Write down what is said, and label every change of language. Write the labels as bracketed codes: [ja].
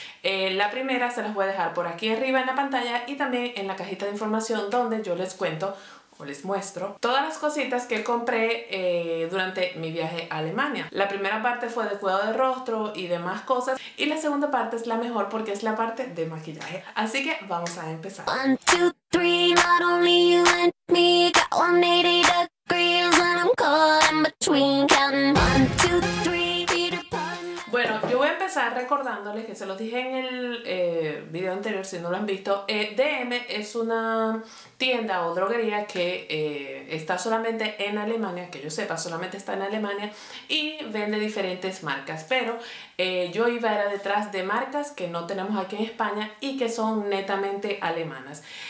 [es] La primera se las voy a dejar por aquí arriba en la pantalla y también en la cajita de información donde yo les cuento o les muestro todas las cositas que compré durante mi viaje a Alemania. La primera parte fue de cuidado de rostro y demás cosas, y la segunda parte es la mejor porque es la parte de maquillaje. Así que vamos a empezar. [en] 1, 2, 3, not only you and me, got 180 degrees and I'm caught in between, counting 1, 2, 3, Peter Pan. [es] Bueno, yo voy a empezar recordándoles que se los dije en el video anterior, si no lo han visto. DM es una tienda o droguería que está solamente en Alemania, que yo sepa, solamente está en Alemania, y vende diferentes marcas, pero yo iba era detrás de marcas que no tenemos aquí en España y que son netamente alemanas.